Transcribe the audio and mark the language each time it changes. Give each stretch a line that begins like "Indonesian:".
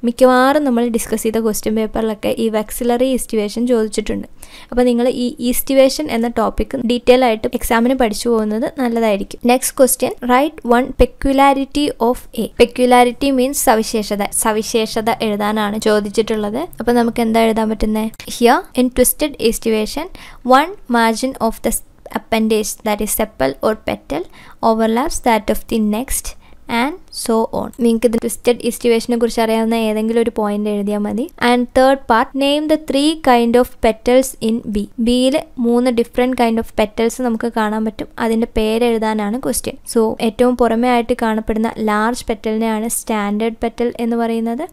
Malayalam: മിക്കവാറും നമ്മൾ ഡിസ്കസ് ചെയ്ത ക്വസ്റ്റ്യൻ പേപ്പറിലൊക്കെ ഈ വെക്സിലറി ഈസ്റ്റിവേഷൻ ചോദിച്ചിട്ടുണ്ട്. അപ്പോൾ നിങ്ങൾ ഈ ഈസ്റ്റിവേഷൻ എന്ന ടോപ്പിക്ക് ഡീറ്റെയിൽ ആയിട്ട് എക്സാമിന് പഠിച്ചു പോകുന്നത് നല്ലതായിരിക്കും.
English: Next question, write one peculiarity of A. Peculiarity means സവിശേഷത.
Malayalam: സവിശേഷത എഴുതാനാണ് ചോദിച്ചിട്ടുള്ളത്. അപ്പോൾ നമുക്ക് എന്താ എഴുതാൻ പറ്റുന്നത്?
English: Here in twisted aestivation one margin of the appendage, that is sepal or petal, overlaps that of the next and so on.
Malayalam: നിങ്ങൾക്ക് ട്വിസ്റ്റഡ് ഈസ്റ്റിവേഷനെ കുറിച്ച് അറിയാവുന്ന ഏതെങ്കിലും ഒരു പോയിന്റ് എഴുതിയാൽ മതി.
English: And third part, name the three kind of petals in B.
Malayalam: ബിയിൽ മൂന്ന് different kind of petals നമുക്ക് കാണാൻ പറ്റും. അതിൻ്റെ പേരെഴുതാനാണ് ക്വസ്റ്റ്യൻ. സോ ഏറ്റവും പുറമേ ആയിട്ട് കാണപ്പെടുന്ന ലാർജ് പെറ്റലിനെയാണ് സ്റ്റാൻഡേർഡ് പെറ്റൽ എന്ന് പറയുന്നത്.